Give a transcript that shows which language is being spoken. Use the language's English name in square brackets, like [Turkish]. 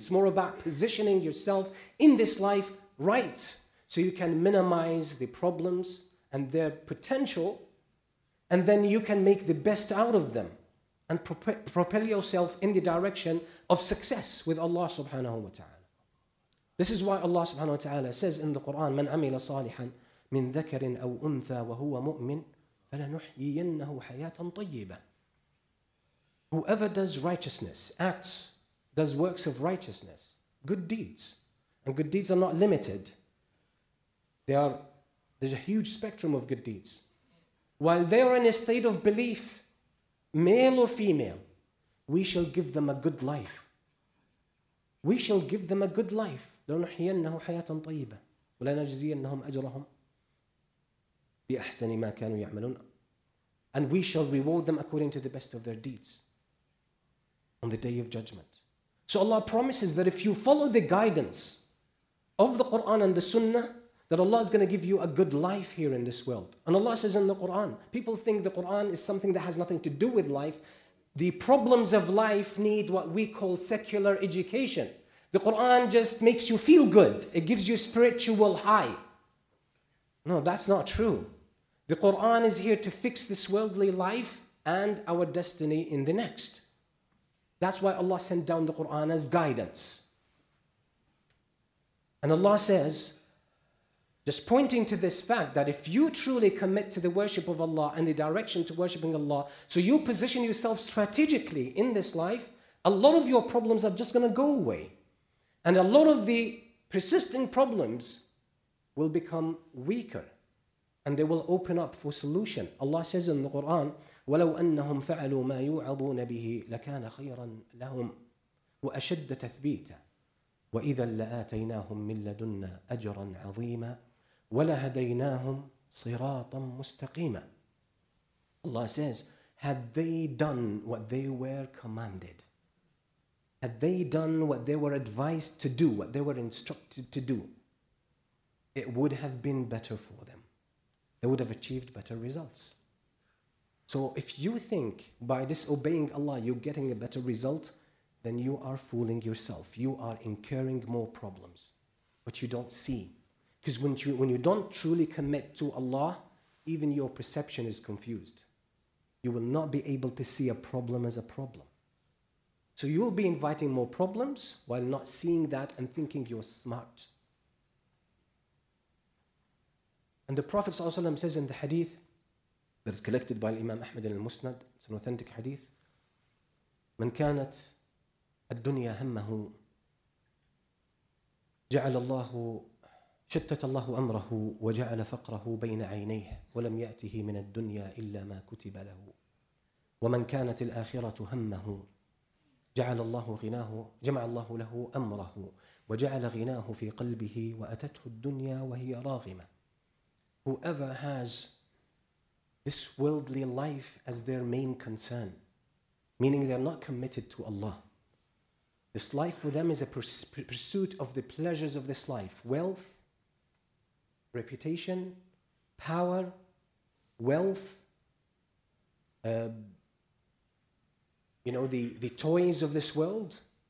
[English] It's more about positioning yourself in this life right, so you can minimize the problems and their potential, and then you can make the best out of them and propel yourself in the direction of success with Allah subhanahu wa ta'ala. This is why Allah subhanahu wa ta'ala says in the Quran, [Arabic] مَنْ عَمِلَ صَالِحًا مِنْ ذَكَرٍ أَوْ أُنْثَى وَهُوَ مُؤْمِنٍ فَلَنُحْيِيَنَّهُ حَيَاةً طَيِّبًا. [English] Whoever does righteousness, acts, does works of righteousness, good deeds, and good deeds are not limited. There's a huge spectrum of good deeds. While they are in a state of belief, male or female, we shall give them a good life. We shall give them a good life. [Arabic] لنحيينه حياة طيبة ولنجزينهم أجرهم بأحسن ما كانوا يعملون. [English] And we shall reward them according to the best of their deeds on the day of judgment. So Allah promises that if you follow the guidance of the Quran and the Sunnah, that Allah is going to give you a good life here in this world. And Allah says in the Quran, people think the Quran is something that has nothing to do with life. The problems of life need what we call secular education. The Quran just makes you feel good. It gives you spiritual high. No, that's not true. The Quran is here to fix this worldly life and our destiny in the next. That's why Allah sent down the Quran as guidance. And Allah says, just pointing to this fact, that if you truly commit to the worship of Allah and the direction to worshiping Allah, so you position yourself strategically in this life, a lot of your problems are just going to go away. And a lot of the persisting problems will become weaker. And they will open up for solution. Allah says in the Quran, [Arabic] وَلَوْ أَنَّهُمْ فَعَلُوا مَا يُوعَظُونَ بِهِ لَكَانَ خَيْرًا لَهُمْ وَأَشَدَّ تَثْبِيتًا وَإِذَا لَآتَيْنَاهُمْ مِنْ لَدُنَّا أَجْرًا عَظِيمًا وَلَهَدَيْنَاهُمْ صِرَاطًا مُسْتَقِيمًا. [English] Allah says, had they done what they were commanded, had they done what they were advised to do, what they were instructed to do, it would have been better for them. They would have achieved better results. So if you think by disobeying Allah you're getting a better result, then you are fooling yourself. You are incurring more problems, but you don't see. Because when you don't truly commit to Allah, even your perception is confused. You will not be able to see a problem as a problem. So you will be inviting more problems while not seeing that and thinking you're smart. And the Prophet ﷺ says in the hadith that is collected by Imam Ahmad al-Musnad, it's an authentic hadith, [Arabic] من كانت الدنيا همه جعل الله شتت الله أمره وجعل فقره بين عينيه ولم يأته من الدنيا إلا ما كتب له ومن كانت الآخرة همه جعل الله غناه جمع الله له أمره وجعل غناه في قلبه وأتته الدنيا وهي راغمة. [English] Whoever has this worldly life as their main concern, meaning they're not committed to Allah. This life for them is a pursuit of the pleasures of this life. Wealth, reputation, power, wealth, the toys of this world.